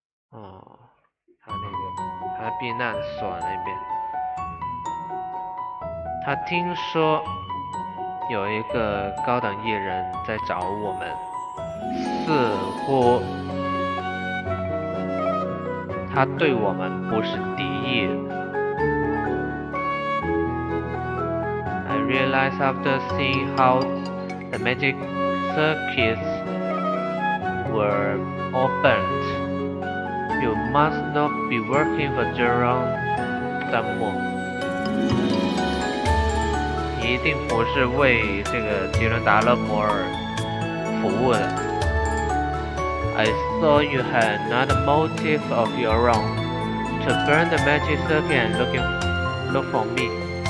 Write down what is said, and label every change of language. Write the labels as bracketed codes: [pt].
[zh] 哦，他那个他避难所那边，他听说有一个高等艺人在找我们，似乎他对我们不是敌意。 [en] I realize after seeing how the magic circuits were all burnt, you must not be working for Jerome Zamo. [zh] 一定不是为这个吉伦达勒摩尔服务的。 [en] I saw you had another motive of your own to burn the magic circuit and look for me.